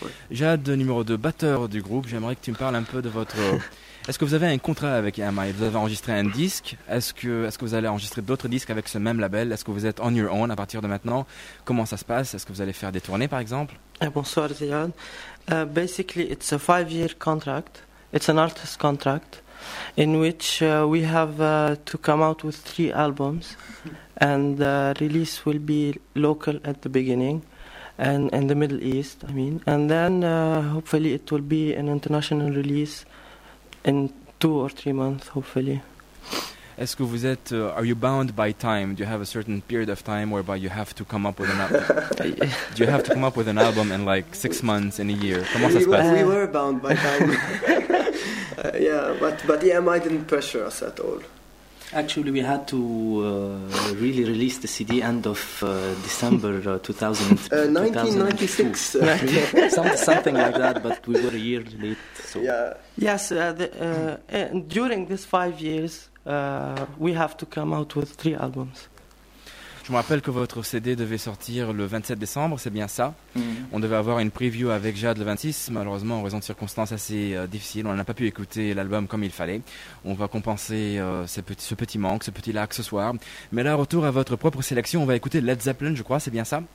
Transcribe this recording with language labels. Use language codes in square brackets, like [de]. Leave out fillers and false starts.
[fr] Jade, numéro 2, batteur du groupe, j'aimerais que tu me parles un peu de votre... Est-ce que vous avez un contrat avec EMI ? Vous avez enregistré un disque ? Est-ce que vous allez enregistrer d'autres disques avec ce même label ? Est-ce que vous êtes [en] on your own [fr] à partir de maintenant ? Comment ça se passe ? Est-ce que vous allez faire des tournées, par exemple ? Bonsoir, [en] Ziad. Basically, it's a 5-year contract. It's an artist contract in which we have to come out with 3 albums. And the release will be local at the beginning. And in the Middle East, I mean. And then hopefully it will be an international release in 2 or 3 months, hopefully. [fr] Est-ce que vous êtes... [en] are you bound by time? Do you have a certain period of time whereby you have to come up with an album? Do you have to come up with an album in like 6 months, in a year? [fr] Comment ça se passe? [en] We were bound by time. but EMI didn't pressure us at all. Actually, we had to really release the CD end of December 1996. Something like that, but we were a year late. So. Yeah. Yes, during these 5 years, we have to come out with 3 albums. [fr] Je me rappelle que votre CD devait sortir le 27 décembre, c'est bien ça. Mm. On devait avoir une preview avec Jade le 26. Malheureusement, en raison de circonstances assez difficiles, on n'a pas pu écouter l'album comme il fallait. On va compenser ce petit manque, ce petit lac ce soir. Mais là, retour à votre propre sélection. On va écouter Led Zeppelin, je crois, c'est bien ça.